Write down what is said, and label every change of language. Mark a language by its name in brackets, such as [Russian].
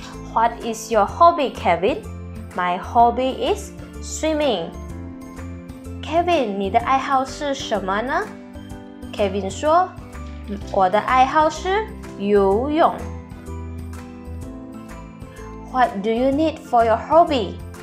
[English] What is your hobby, Kevin? My hobby is swimming. [Chinese] Kevin, 你的爱好是什么呢？Kevin 说，我的爱好是游泳。 [English] What do you need for your hobby?